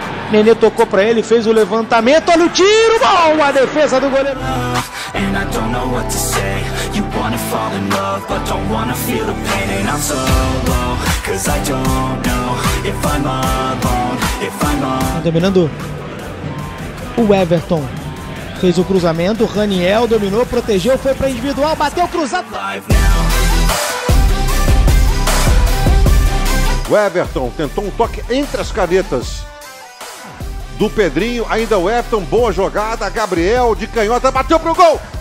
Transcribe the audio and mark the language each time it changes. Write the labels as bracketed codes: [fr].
[pt] Nenê tocou pra ele, fez o levantamento. Olha o tiro, bom! A defesa do goleiro. [en] And I don't know what to say. You wanna fall in love, but don't wanna feel the pain. And I'm solo, cause I don't know if I'm alone, if I'm alone. [pt] Dominando o Weverton. Fez o cruzamento, o Raniel dominou, protegeu, foi pra individual, bateu, cruzado. [en] Live now. [pt] Weverton tentou um toque entre as canetas do Pedrinho, ainda o Everton, boa jogada, Gabriel de canhota, bateu pro gol!